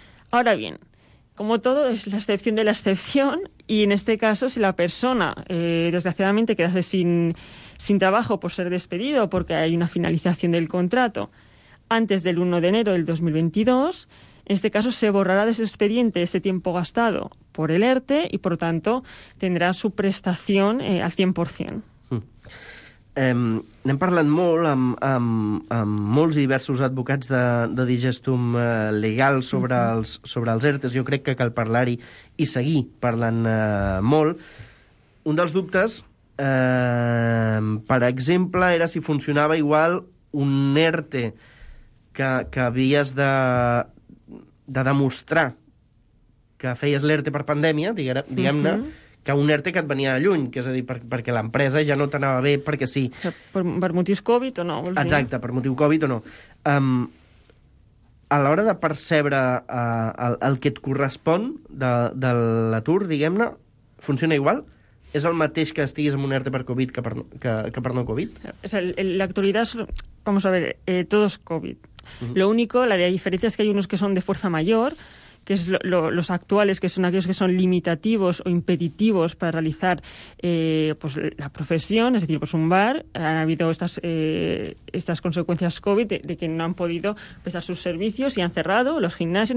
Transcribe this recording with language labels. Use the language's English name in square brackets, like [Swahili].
[Spanish] Ahora bien, como todo, es la excepción de la excepción, y en este caso, si la persona, desgraciadamente, quedase sin trabajo por ser despedido porque hay una finalización del contrato antes del 1 de enero del 2022... En este caso, se borrará de ese expediente ese tiempo gastado por el ERTE y, por lo tanto, tendrá su prestación al 100%. Mm. [Catalan] N'hem parlat molt amb molts i diversos advocats de Digestum Legal sobre, mm-hmm, sobre els ERTEs. Jo crec que cal parlar-hi i seguir parlant molt. Un dels dubtes, per exemple, era si funcionava igual un ERTE que havies de demostrar que feies l'ERTE per pandèmia, diguem-ne, uh-huh, que un ERTE que et venia de lluny, que és a dir, perquè l'empresa ja no t'anava bé, perquè sí. Per motius Covid o no, vols dir? Exacte, per motiu Covid o no. A l'hora de percebre el que et correspon de l'atur, diguem-ne, funciona igual? ¿Es el mateix que estiguis amb un ERTE per Covid que per no Covid? [Spanish] O sea, la actualidad, vamos a ver, todo es Covid. Lo único, la diferencia es que hay unos que son de fuerza mayor, que es los actuales, que son aquellos que son limitativos o impeditivos para realizar pues la profesión, es decir, pues un bar. Han habido estas consecuencias COVID de que no han podido prestar sus servicios y han cerrado los gimnasios.